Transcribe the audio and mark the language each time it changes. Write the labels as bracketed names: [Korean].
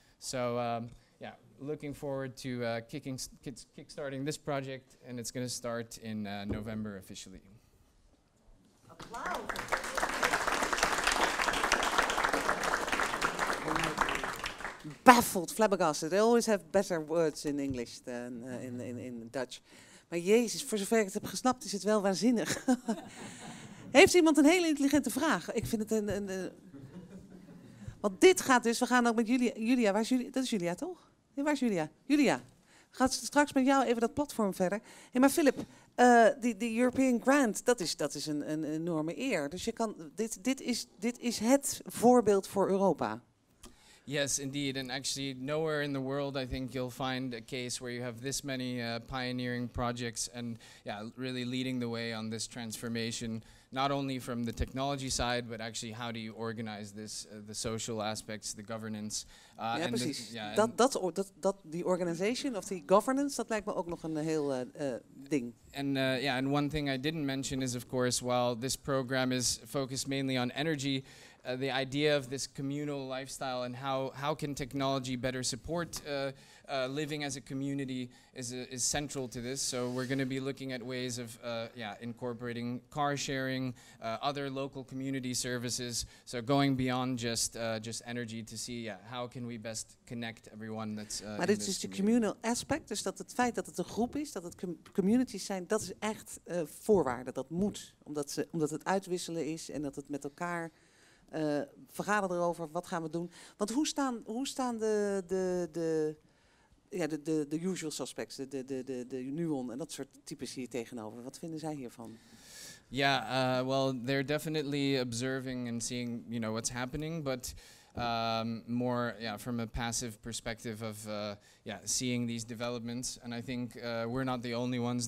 [English] So looking forward to kickstarting this project, and it's gonna start in November officially. Applause. Baffled, flabbergasted. They always have better words in English than in Dutch. [Dutch] Maar jezus, voor zover ik het heb gesnapt, is het wel waanzinnig. Heeft iemand een hele intelligente vraag? Ik vind het een... Want dit gaat dus, we gaan ook met Julia, waar is Julia? Dat is Julia, toch? Nee, waar is Julia? Julia, gaat straks met jou even dat platform verder. Hey, maar Philip, die European Grant, dat is een enorme eer. Dus je kan, dit is het voorbeeld voor Europa. [English] Yes, indeed, and actually nowhere in the world I think you'll find a case where you have this many pioneering projects and really leading the way on this transformation, not only from the technology side, but actually how do you organize this, the social aspects, the governance. The organization of the governance, [Dutch] dat lijkt me ook nog een heel ding. [English] And and one thing I didn't mention is, of course, while this program is focused mainly on energy, the idea of this communal lifestyle and how can technology better support living as a community is central to this. So we're going to be looking at ways of incorporating car sharing, other local community services. So going beyond just energy to see how can we best connect everyone that's. [Dutch] Maar dit is de communal aspect, dus dat het feit dat het een groep is, dat het communities zijn, dat is echt voorwaarde. Dat moet, omdat het uitwisselen is en dat het met elkaar. Vergaderen erover, wat gaan we doen? Want hoe staan de usual suspects, de Nuon en dat soort types hier tegenover? Wat vinden zij hiervan? [English] They're definitely observing and seeing, what's happening, but more from a passive perspective of seeing these developments. And I think we're not the only ones.